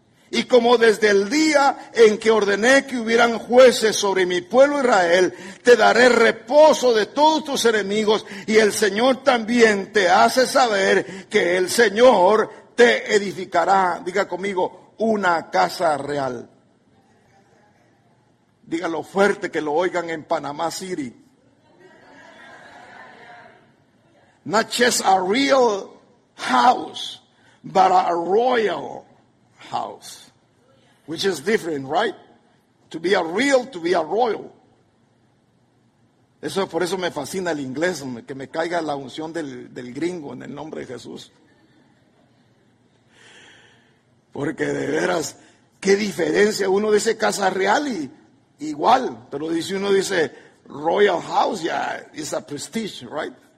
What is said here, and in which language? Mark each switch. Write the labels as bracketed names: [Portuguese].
[Spanish] Y como desde el día en que ordené que hubieran jueces sobre mi pueblo Israel, te daré reposo de todos tus enemigos, y el Señor también te hace saber que el Señor te edificará. Diga conmigo, una casa real. Dígalo fuerte, que lo oigan en Panamá City. [English] Not just a real house, but a royal house. Which is different, right? To be a real, to be a royal. [Spanish] Eso, por eso me fascina el inglés, que me caiga la unción del gringo en el nombre de Jesús. Porque de veras, qué diferencia uno dice casa real y igual, pero si uno dice Royal House, [English] yeah, it's a prestige, right?